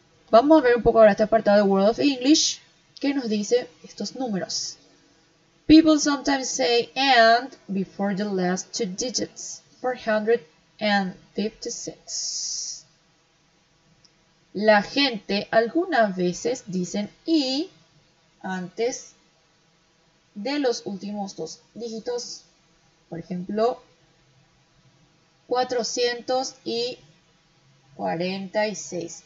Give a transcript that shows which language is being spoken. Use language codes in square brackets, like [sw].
[es] Vamos a ver un poco ahora este apartado de World of English que nos dice estos números. [en] People sometimes say and before the last two digits. 456. [es] La gente algunas veces dicen y antes de los últimos dos dígitos. Por ejemplo, 446.